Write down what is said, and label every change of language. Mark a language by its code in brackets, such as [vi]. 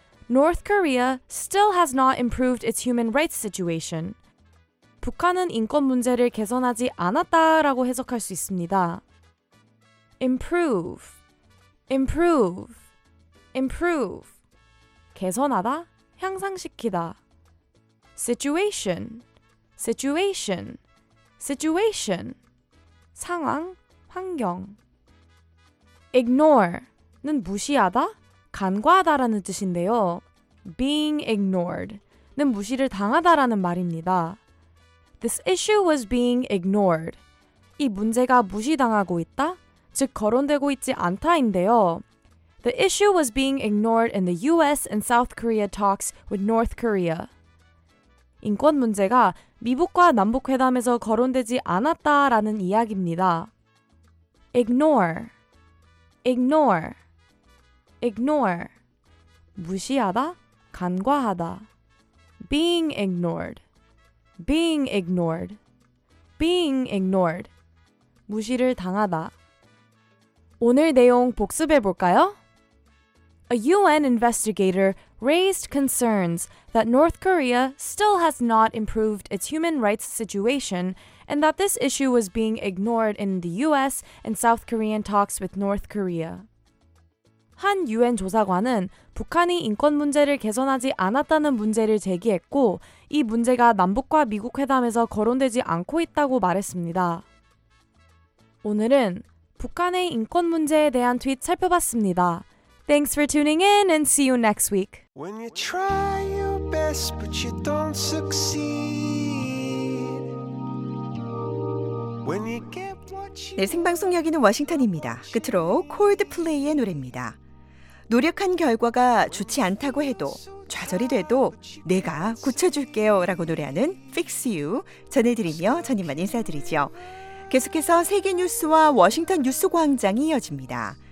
[en] North Korea still has not improved its human rights situation. [ko] 북한은 인권 문제를 개선하지 않았다라고 해석할 수 있습니다. [en] improve, improve, improve, [ko] 개선하다, 향상시키다. [en] situation, situation, situation, [ko] 상황, 환경. ignore는 무시하다, 간과하다라는 뜻인데요. being ignored는 무시를 당하다라는 말입니다. [en] This issue was being ignored. [ko] 이 문제가 무시당하고 있다, 즉 거론되고 있지 않다인데요. [en] The issue was being ignored in the US and South Korea talks with North Korea. [ko] 인권 문제가 미국과 남북 회담에서 거론되지 않았다라는 이야기입니다. [en] Ignore, ignore, ignore. [ko] 무시하다, 간과하다. [en] Being ignored. Being ignored. Being ignored. [ko] 무시를 당하다. 오늘 내용 복습해 볼까요? [en] A UN investigator raised concerns that North Korea still has not improved its human rights situation and that this issue was being ignored in the US and South Korean talks with North Korea. [ko] 한 UN 조사관은 북한이 인권 문제를 개선하지 않았다는 문제를 제기했고 이 문제가 남북과 미국 회담에서 거론되지 않고 있다고 말했습니다. 오늘은 북한의 인권 문제에 대한 트윗 살펴봤습니다. [en] Thanks for tuning in and see you next week. When you try your best but you don't succeed. When you get what you [ko] 네, 생방송 여기는 워싱턴입니다. 끝으로 콜드플레이의 노래입니다. 노력한 결과가 좋지 않다고 해도 좌절이 돼도 내가 고쳐줄게요 라고 노래하는 Fix You 전해드리며 전인만 인사드리죠. 계속해서 세계 뉴스와 워싱턴 뉴스 광장이 이어집니다.